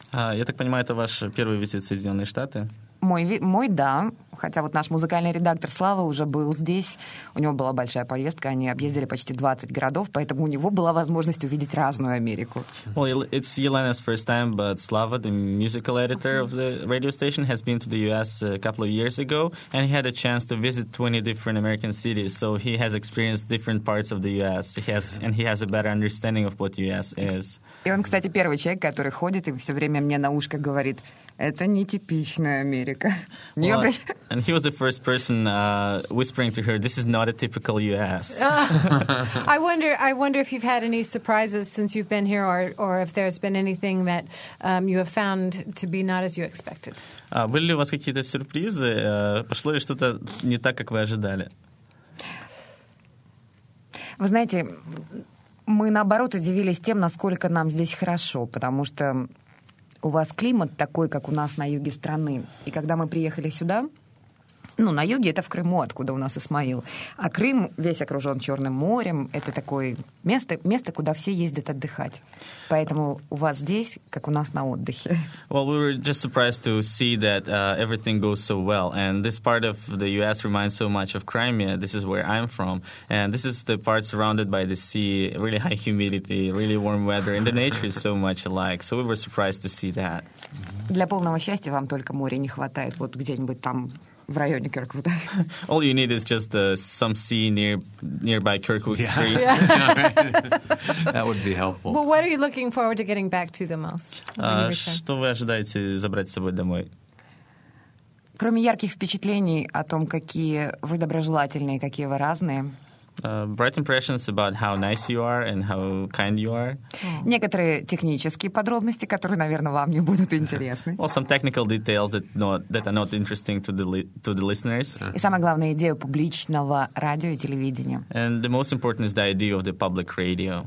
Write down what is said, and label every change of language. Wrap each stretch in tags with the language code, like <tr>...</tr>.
<ru>Я так понимаю, это ваш первый визит в Соединенные Штаты? Мой, да. Хотя вот наш музыкальный редактор Слава уже был здесь. У него была большая поездка. Они объездили почти 20 городов, поэтому у него была возможность увидеть разную Америку.</ru> <en>Well, it's Yelena's first time, but Slava, the musical editor of the radio station, has been to the U.S. a couple of years ago, and he had a chance to visit 20 different American cities, so he has experienced different parts of the U.S. He has a better understanding of what U.S. is.</en> <ru>И он, кстати, первый человек, который ходит и все время мне на ушко говорит... Это нетипичная Америка.</ru> <en>Well, and he was the first person whispering to her, this is not a typical U.S. I wonder if you've had any surprises since you've been here or if there's been anything that you have found to be not as you expected.</en> <ru>Были ли у вас какие-то сюрпризы? Пошло ли что-то не так, как вы ожидали? Вы знаете, мы, наоборот, удивились тем, насколько нам здесь хорошо, потому что у вас климат такой, как у нас на юге страны. И когда мы приехали сюда, ну, на юге это в Крыму, откуда у нас Исмаил. А Крым весь окружен Черным морем. Это такое место, место, куда все ездят отдыхать. Поэтому у вас здесь, как у нас на отдыхе.</ru> <en>Well, we were just surprised to see that everything goes so well. And this part of the U.S. reminds so much of Crimea. This is where I'm from. And this is the part surrounded by the sea, really high humidity, really warm weather. And the nature is so much alike. So we were surprised to see that.</en> <ru>Для полного счастья вам только море не хватает. Вот где-нибудь там... В районе Кирквуда.</ru> <en>All you need is just some sea nearby Kirkwood yeah. Street. Yeah. That would be helpful. Well, what are you looking forward to getting back to the most?</en> <ru>Что вы ожидаете забрать с собой домой? Кроме ярких впечатлений о том, какие вы доброжелательные, какие вы разные.</ru> <en>Bright impressions about how nice you are and how kind you are.</en> <ru>Некоторые технические подробности, которые, наверное, вам не будут интересны.</ru> <en>Well, some technical details that are not interesting to the listeners.</en> <ru>И самое главное, идея публичного радио и телевидения.</ru> <en>And the most important is the idea of the public radio.</en>